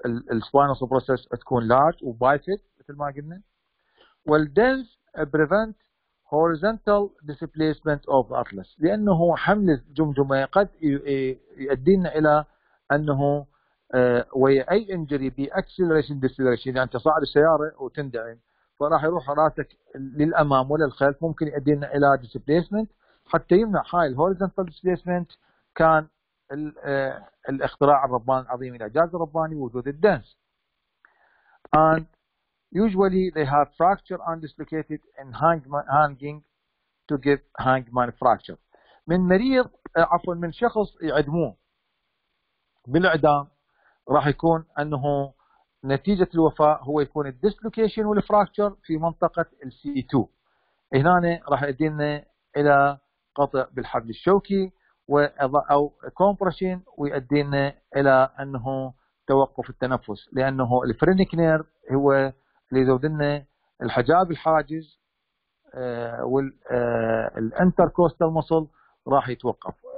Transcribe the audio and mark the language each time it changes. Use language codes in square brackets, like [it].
[ar] السباينوس بروسيس تكون لارج وبايفيد مثل ما قلنا، والدنس بريفنت [en] horizontal displacement of atlas [ar] لانه حمل الجمجمه قد يؤدينا الى انه اي انجري بي اكسلريشن ديسلريشن، يعني تصعد السياره وتندعم فراح يروح راسك للامام ولا الخلف، ممكن يؤدينا الى displacement. حتى يمنع هاي الهوريزونتال displacement كان الاختراع الرباني العظيم الاعجاز الرباني وجود الدنس. [en] And usually they have fracture and dislocated and hanging to give hangman fracture. [ar] من مريض عفوا من شخص يعدموه بالاعدام راح يكون انه نتيجه الوفاه هو يكون الديسلوكيشن والفراكشر في منطقه الC2 هنا راح يدينا الى قطع بالحبل الشوكي او كومبرشن ويؤدينا الى انه توقف التنفس، لانه الفرينيك نير هو اللي يزود لنا الحجاب الحاجز والانتر كوستال مصل راح يتوقف.